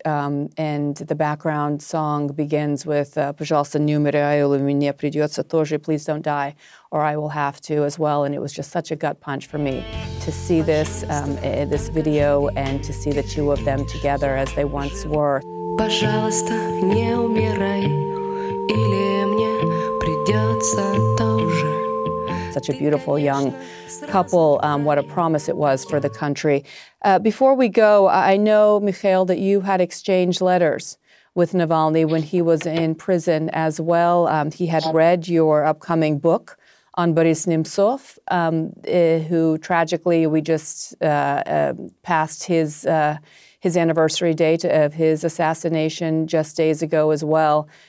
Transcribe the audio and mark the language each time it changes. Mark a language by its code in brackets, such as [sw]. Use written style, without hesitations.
[en] And the background song begins with [ru] «Пожалуйста, не умирай, или мне придется тоже, [en] please don't die, or I will have to» as well. And it was just such a gut punch for me to see this this video and to see the two of them together as they once were. [ru] «Пожалуйста, не умирай, или мне придется тоже». [en] Such a beautiful young couple. What a promise it was for the country. Before we go, I know, Mikhail, that you had exchanged letters with Navalny when he was in prison as well. He had read your upcoming book on Boris Nemtsov, who tragically we just passed his anniversary date of his assassination just days ago as well.